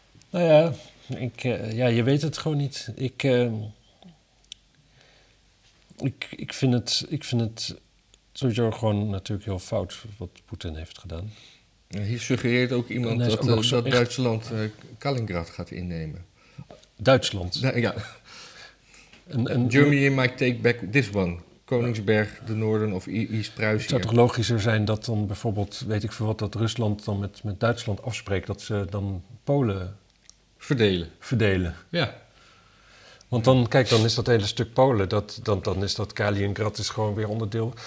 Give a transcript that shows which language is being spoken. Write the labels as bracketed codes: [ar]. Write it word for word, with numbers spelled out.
[nl] Nou ja, ik, uh, ja je weet het gewoon niet. Ik... Uh... Ik, ik, vind het, ik vind het sowieso gewoon natuurlijk heel fout wat Poetin heeft gedaan. Ja, hier suggereert ook iemand dat, ook uh, dat echt... Duitsland uh, Kaliningrad gaat innemen. Duitsland? Da- ja. en, en, [en] Germany might take back this one. [nl] Koningsberg, de Noorden of East-Pruisië. Het zou toch logischer zijn dat dan bijvoorbeeld, weet ik veel wat, dat Rusland dan met, met Duitsland afspreekt dat ze dan Polen verdelen. verdelen. Ja. Want dan, kijk, dan is dat hele stuk Polen, dat, dan, dan is dat Kaliningrad is gewoon weer onderdeel.